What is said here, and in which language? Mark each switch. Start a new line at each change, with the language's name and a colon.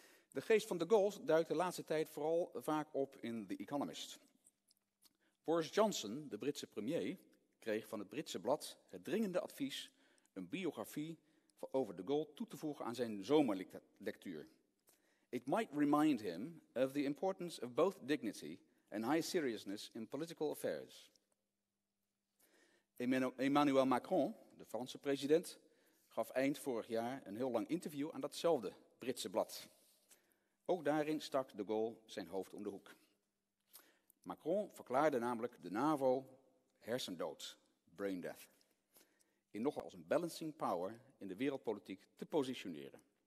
Dutch: De geest van de Gaulle duikt de laatste tijd vooral vaak op in The Economist. Boris Johnson, de Britse premier, kreeg van het Britse blad het dringende advies een biografie over de Gaulle toe te voegen aan zijn zomerlectuur.
English: It might remind him of the importance of both dignity and high seriousness in political affairs.
Dutch: Emmanuel Macron, de Franse president, gaf eind vorig jaar een heel lang interview aan datzelfde Britse blad. Ook daarin stak de Gaulle zijn hoofd om de hoek. Macron verklaarde namelijk de NAVO hersendood, brain death, in nogal als een balancing power in de wereldpolitiek te positioneren.